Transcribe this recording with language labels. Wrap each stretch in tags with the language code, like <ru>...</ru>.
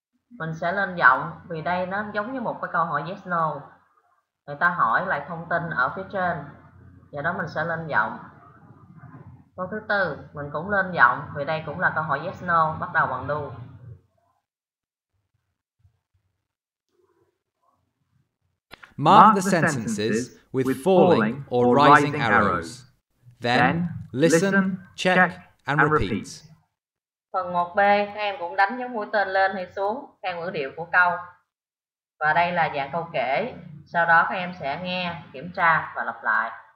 <vi>Mình sẽ lên giọng vì đây nó giống như một cái câu hỏi yes no. Người ta hỏi lại thông tin ở phía trên. Do đó mình sẽ lên giọng. Câu thứ tư, mình cũng lên giọng vì đây cũng là câu hỏi yes no, bắt đầu bằng do.</vi> <en>Mark the sentences with falling or rising arrows. Then listen, check and repeat.</en> <vi>Phần 1B, các em cũng đánh dấu mũi tên lên hay xuống theo ngữ điệu của câu. Và đây là dạng câu kể. Sau đó các em sẽ nghe, kiểm tra và lặp lại.</vi>